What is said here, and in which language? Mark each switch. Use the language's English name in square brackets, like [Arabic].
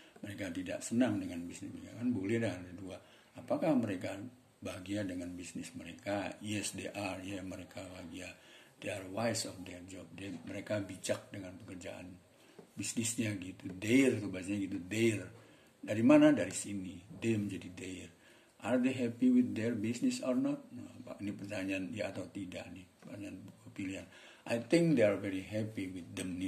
[Indonesian] Mereka tidak senang dengan bisnisnya. Kan boleh dah ada dua. Apakah mereka... bahagia dengan bisnis mereka? [English] Yes, they are. [Indonesian] Ya, yeah, mereka bahagia. [English] They are wise of their job. [Indonesian] They, mereka bijak dengan pekerjaan bisnisnya gitu. Dare itu bahasanya gitu. Dare. Dari mana? Dari sini. They menjadi dare. [English] Are they happy with their business or not? [Indonesian] Nah, Pak, ini pertanyaan ya atau tidak nih. Pertanyaan pilihan. [English] I think they are very happy with them nih.